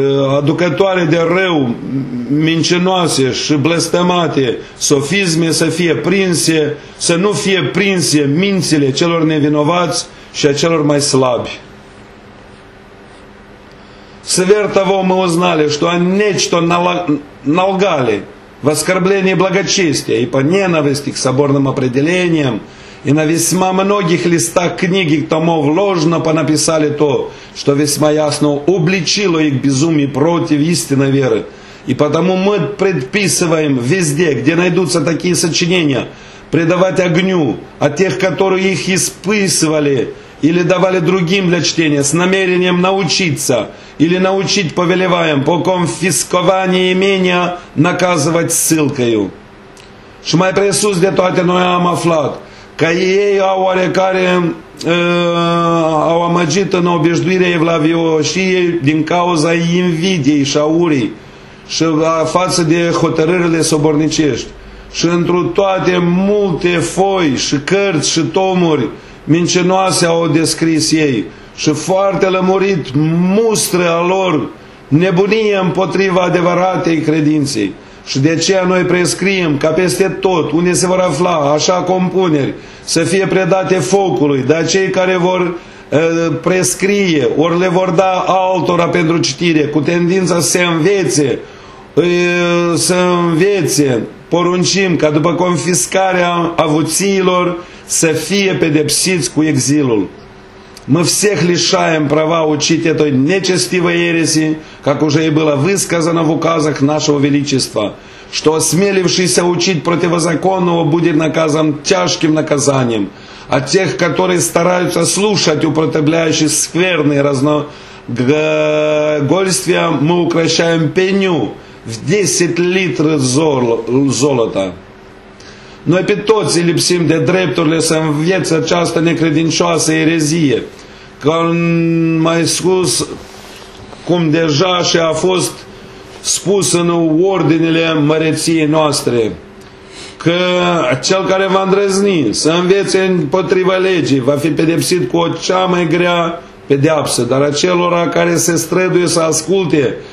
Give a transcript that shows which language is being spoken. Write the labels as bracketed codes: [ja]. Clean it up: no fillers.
[ro] aducătoare de rău, mincinoase și blestemate, sofisme să fie prinse, să nu fie prinse mințile celor nevinovați și a celor mai slabi. [ru] Сверх того мы узнали, что они нечто налгали в оскорблении благочестия и по ненависти к соборным определениям, и на весьма многих листах книги томов ложно понаписали то, что весьма ясно обличило их безумие против истинной веры. И потому мы предписываем везде, где найдутся такие сочинения, предавать огню от тех, которые их исписывали, или давали другим для чтения с намерением научиться, или научить повелеваем по конфисковании имения наказывать ссылкою. [ro] Și mai presus de toate noi am aflat că ei au oarecare au amăgit în obișnuirea evlavioșiei din cauza invidiei și aurii și față de hotărârile sobornicești. Și într-o toate multe foi și cărți și tomuri mincinoase au descris ei și foarte lămurit mustră a lor nebunie împotriva adevăratei credinței. Și de aceea noi prescriem ca peste tot unde se vor afla așa compuneri să fie predate focului de cei care vor prescrie, ori le vor da altora pentru citire, cu tendința să se învețe, să învețe, poruncim ca după confiscarea avuțiilor să fie pedepsiți cu exilul. [ru] Мы всех лишаем права учить этой нечестивой ереси, как уже и было высказано в указах нашего величества, что осмелившийся учить противозаконного будет наказан тяжким наказанием, а тех, которые стараются слушать употребляющие скверные разногольствия, мы укращаем пеню в 10 литров золота. [ro] Noi pe toți lipsim de drepturile să învețe această necredincioasă erezie. Că mai spus, cum deja și a fost spus în ordinele măreției noastre, că cel care va îndrăzni să învețe împotriva legii va fi pedepsit cu o cea mai grea pedeapsă, dar acelora care se străduie să asculte